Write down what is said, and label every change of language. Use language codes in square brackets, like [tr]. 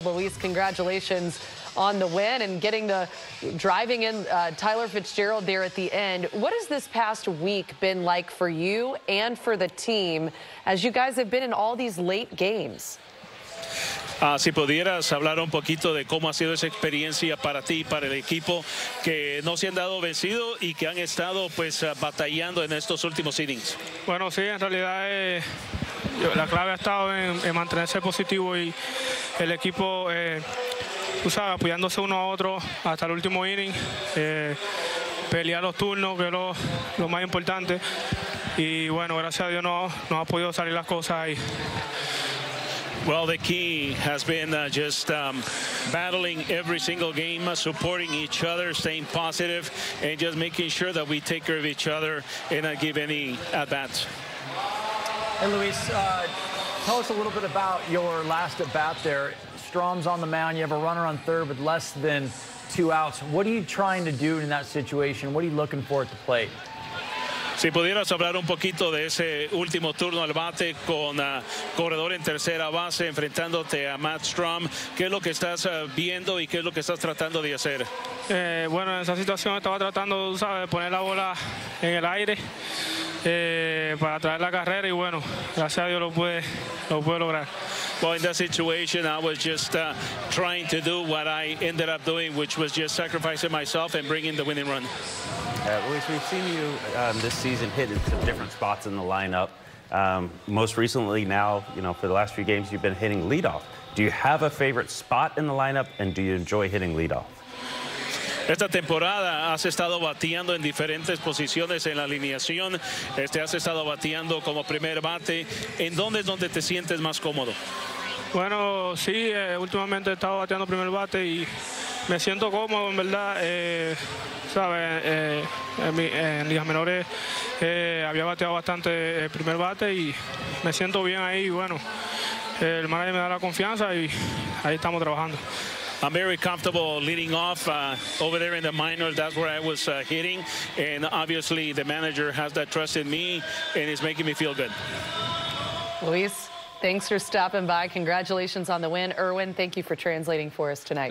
[en] Luis, congratulations on the win and getting the driving in Tyler Fitzgerald there at the end. What has this past week been like for you and for the team as you guys have been in all these late games? [es] Si pudieras hablar un poquito de cómo ha sido esa experiencia para ti y para el equipo, que no se han dado vencido y que han estado pues batallando en estos últimos innings. Bueno, sí, en realidad la clave ha estado en mantenerse positivo y el equipo, tú sabes, apoyándose uno a otro hasta el último inning, pelear los turnos, que es lo más importante. Y bueno, gracias a Dios no ha podido salir las cosas ahí. [en] Well, the key has been just battling every single game, supporting each other, staying positive, and just making sure that we take care of each other and not give any at-bats. And Luis, tell us a little bit about your last at-bat there. Strom's on the mound. You have a runner on third with less than two outs. What are you trying to do in that situation? What are you looking for at the plate? [es] Si pudieras hablar un poquito de ese último turno al bate con corredor en tercera base enfrentándote a Matt Strom, ¿qué es lo que estás viendo y qué es lo que estás tratando de hacer? Bueno, en esa situación estaba tratando, ¿sabes?, de poner la bola en el aire para traer la carrera y bueno, gracias a Dios lo pude lograr. [en] Well, in that situation, I was just trying to do what I ended up doing, which was just sacrificing myself and bringing the winning run. Luis, we've seen you this season hit in some different spots in the lineup. Most recently now, you know, for the last few games, you've been hitting leadoff. Do you have a favorite spot in the lineup, and do you enjoy hitting leadoff? [es] Esta temporada has estado bateando en diferentes posiciones en la alineación. Has estado bateando como primer bate. ¿En dónde es donde te sientes más cómodo? Bueno, sí, últimamente he estado bateando primer bate y me siento cómodo, en verdad. En ligas menores había bateado bastante el primer bate y me siento bien ahí. Bueno, el manager me da la confianza y ahí estamos trabajando. [en] I'm very comfortable leading off over there in the minors. That's where I was hitting. And obviously, the manager has that trust in me and is making me feel good. Luis, thanks for stopping by. Congratulations on the win. Erwin, thank you for translating for us tonight.